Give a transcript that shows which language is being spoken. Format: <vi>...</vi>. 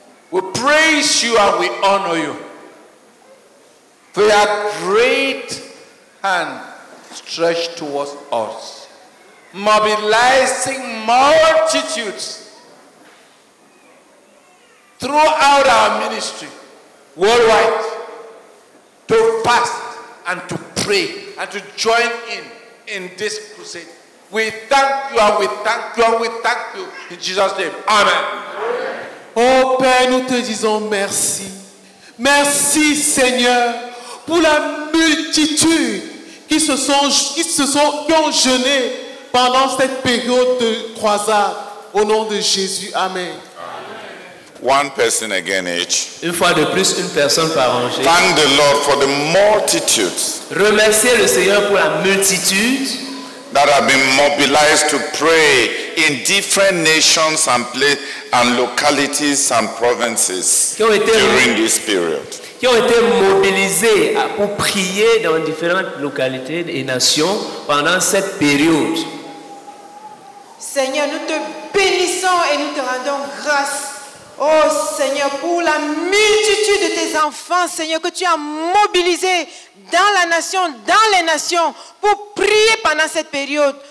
<en>We praise you and we honor you for your great hand stretched towards us, mobilizing multitudes throughout our ministry worldwide to fast and to pray and to join in this crusade. We thank you and we thank you and we thank you in Jesus' name. Amen.</en> <fr>Oh Père, nous te disons merci. Merci Seigneur pour la multitude qui ont jeûné pendant cette période de croisade. Au nom de Jésus, amen.</fr> <en>One person again each.</en> <fr>Une fois de plus, une personne par rangée.</fr> <en>Thank the Lord for the multitudes.</en> <fr>Remerciez le Seigneur pour la multitude.</fr> <en>That have been mobilized to pray in different nations and places and localities and provinces during this period.</en> <fr>Qui ont été mobilisés pour prier dans différentes localités et nations pendant cette période. Seigneur, nous te bénissons et nous te rendons grâce. Oh Seigneur, pour la multitude de tes enfants, Seigneur, que tu as mobilisé dans la nation, dans les nations, pour prier pendant cette période.</fr>